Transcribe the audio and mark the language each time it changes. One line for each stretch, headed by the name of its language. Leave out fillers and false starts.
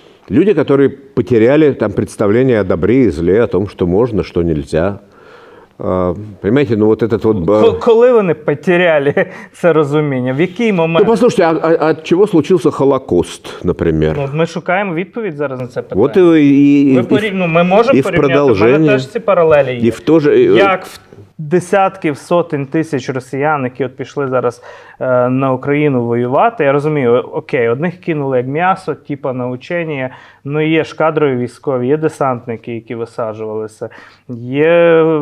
Russian: Люди, которые потеряли там представление о добре и зле, о том, что можно, что нельзя. Понимаете, ну вот этот вот...
Ukrainian: Коли вони потеряли це розуміння? В який момент?
Russian: Ну, послушайте, а чего случился Холокост, например?
Ukrainian: Ну, ми шукаємо відповідь зараз на це питання.
Russian: Вот
Ukrainian: ми можемо порівняти, в мене теж ці паралелі є.
Russian: І в то же...
Ukrainian: Як десятків, сотень тисяч росіян, які от пішли зараз на Україну воювати, я розумію, окей, одних кинули як м'ясо, типа на учення, ну є ж кадрові військові, є десантники, які висаджувалися, є...